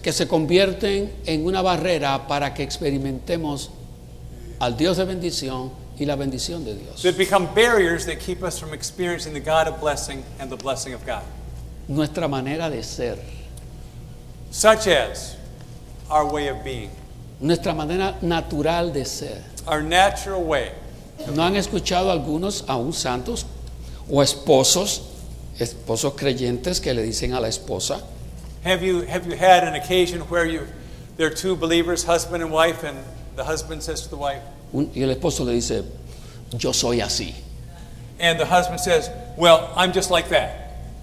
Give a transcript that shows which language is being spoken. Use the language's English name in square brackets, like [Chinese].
[Spanish] Que se convierten en una barrera para que experimentemos al Dios de bendición y la bendición de Dios. [English] That become barriers that keep us from experiencing the God of blessing and the blessing of God. [Spanish] Nuestra manera de ser. [English] Such as our way of being. [Spanish] Nuestra manera natural de ser. [English] Our natural way. [Spanish] ¿No han escuchado algunos aún santos o esposos creyentes que le dicen a la esposa? [English] Have you had an occasion where there are two believers, husband and wife, and the husband says to the wife? [Spanish] Y el esposo le dice, yo soy así. [English] And the husband says, well, I'm just like that.